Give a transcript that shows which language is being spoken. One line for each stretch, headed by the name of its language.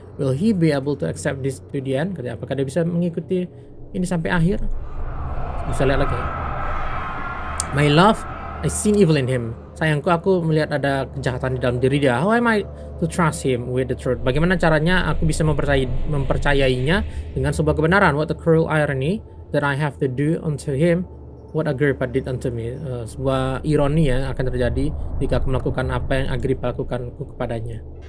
English: Will he be able to accept this to the end?
Indonesian: Apakah dia bisa mengikuti ini sampai akhir? Bisa lihat lagi.
English: My love, I seen evil in him.
Indonesian: Sayangku, aku melihat ada kejahatan di dalam diri dia.
English: How am I to trust him with the truth?
Indonesian: Bagaimana caranya aku bisa mempercayainya dengan sebuah kebenaran?
English: What a cruel irony that I have to do unto him what Agrippa did unto me.
Indonesian: Sebuah ironi ya akan terjadi jika aku melakukan apa yang Agrippa lakukan kepadanya.